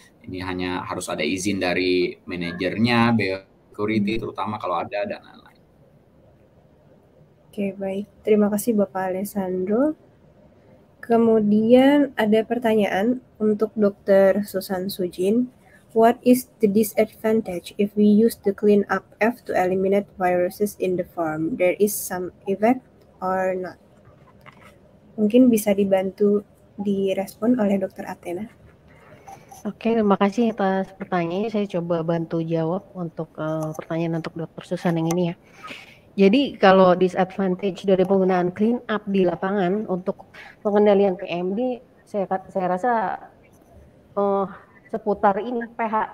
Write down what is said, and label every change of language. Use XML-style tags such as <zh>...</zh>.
<id>Ini hanya harus ada izin dari manajernya, security terutama kalau ada dan lain-lain. Oke, baik. Terima kasih Bapak Alessandro. Kemudian ada pertanyaan untuk Dr. Susan Sujin.</id> <en>What is the disadvantage if we use the clean up F to eliminate viruses in the farm? There is some effect or not?</en> <id>Mungkin bisa dibantu direspon oleh Dr. Athena. Oke, terima kasih atas pertanyaannya. Saya coba bantu jawab untuk pertanyaan untuk Dr. Susan yang ini ya. Jadi kalau disadvantage dari penggunaan clean up di lapangan untuk pengendalian PMD, saya rasa seputar ini pH.</id>